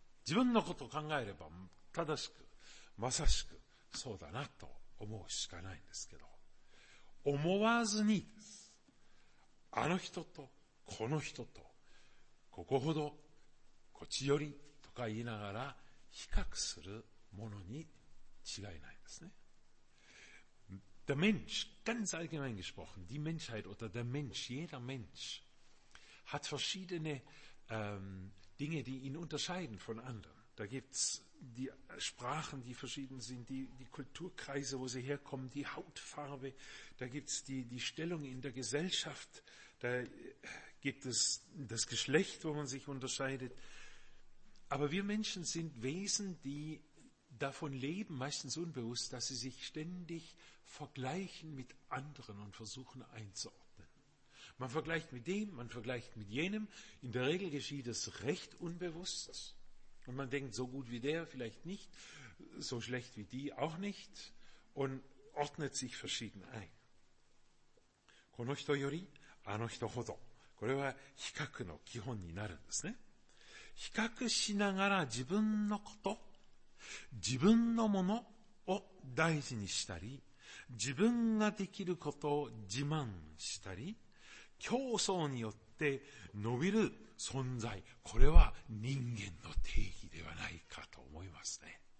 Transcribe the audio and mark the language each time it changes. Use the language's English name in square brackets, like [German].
[Japanese] 自分のことを考えれば正しくまさしくそうだなと思うしかないんですけど、思わずにです。あの人とこの人とここほどこっちよりとか言いながら比較するものに違いないですね。 [German] Der Mensch, ganz allgemein gesprochen, die Menschheit oder der Mensch, jeder Mensch hat verschiedene Dinge, die ihn unterscheiden von anderen. Da gibt's die Sprachen, die verschieden sind, die Kulturkreise, wo sie herkommen, die Hautfarbe, da gibt es die Stellung in der Gesellschaft, da gibt es das Geschlecht, wo man sich unterscheidet. Aber wir Menschen sind Wesen, die davon leben, meistens unbewusst, dass sie sich ständig vergleichen mit anderen und versuchen einzuordnen. Man vergleicht mit dem, man vergleicht mit jenem. In der Regel geschieht es recht unbewusst. Und man denkt, so gut wie der vielleicht nicht, so schlecht wie die auch nicht und ordnet sich verschieden ein. [Japanese] この人よりあの人ほど。これは比較の基本になるんですね。比較しながら自分のこと、自分のものを大事にしたり、自分ができることを自慢したり、競争によって伸びる存在、これは人間の定義ではないかと思いますね。